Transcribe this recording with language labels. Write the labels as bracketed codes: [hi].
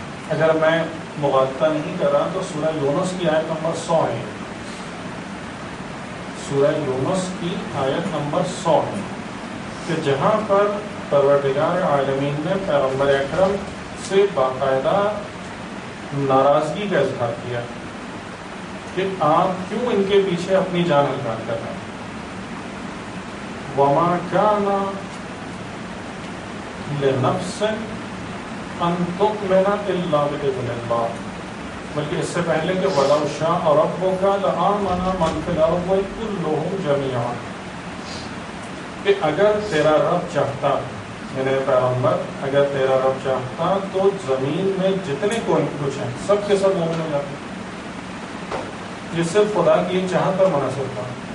[ur] اگر میں مغالطہ نہیں کر رہا تو سورہ یونس کی آیت نمبر 100 ہے، سورہ یونس کی آیت نمبر 100 ہے، کہ جہاں پر پروردگار عالمین نے پیغمبر اکرم سے باقاعدہ ناراضگی کا اظہار کیا کہ آپ کیوں ان کے پیچھے اپنی جان الکان کر رہے ہیں. [ar] وما کان لنفس ان تؤمن الا باذن اللہ، [ur] بلکہ اس سے پہلے کہ [ar] ولا شاء ربک لآمن من فی الارض کلهم جمیعا، [ur] کہ اگر تیرا رب چاہتا، میرے پیغمبر، اگر تیرا رب چاہتا تو زمین میں جتنے کون کچھ ہیں سب کے سب مومن ہو جاتے، جس سے خدا کی چاہت پر مناسب تھا.